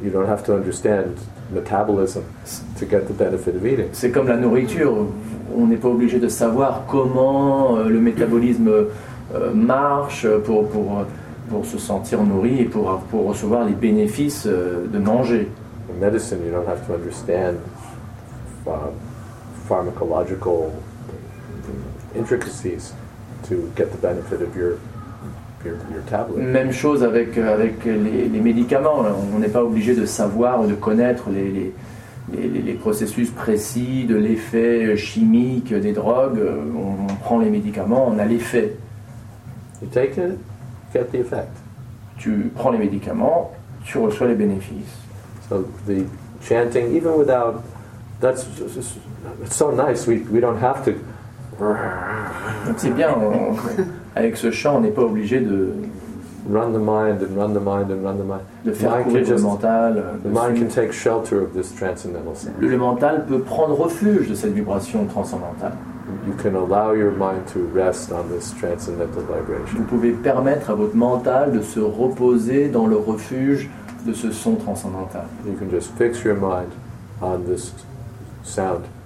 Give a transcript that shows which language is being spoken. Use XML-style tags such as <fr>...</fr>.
<en>You don't have to understand metabolism to get the benefit of eating.</en> <fr>C'est comme la nourriture. On n'est pas obligé de savoir comment le métabolisme marche pour se sentir nourri et pour recevoir les bénéfices de manger.</fr> <en>In medicine, you don't have to understand pharmacological intricacies to get the benefit of your tablet.</en> <fr>Même chose avec les médicaments. On n'est pas obligé de savoir ou de connaître les processus précis de l'effet chimique des drogues. On prend les médicaments, on a l'effet.</fr> <en>You take it, get the effect.</en> <fr>Tu prends les médicaments, tu reçois les bénéfices.</fr> <en>So the chanting, even without, that's just, it's so nice. We don't have to.</en> <fr>Donc c'est bien. Avec ce chant, on n'est pas obligé de</fr> <en>run the mind and run the mind and run the mind.</en> <fr>De faire</fr> <en>mind</en> <fr>courir le mental.</fr> <en>The mind can take shelter of this transcendental sound.</en> <fr>Le mental peut prendre refuge de cette vibration transcendantale.</fr> <en>You can allow your mind to rest on this transcendental vibration.</en> <fr>Vous pouvez permettre à votre mental de se reposer dans le refuge de ce son transcendantal.</fr> <en>You can just fix your mind on this sound.</en>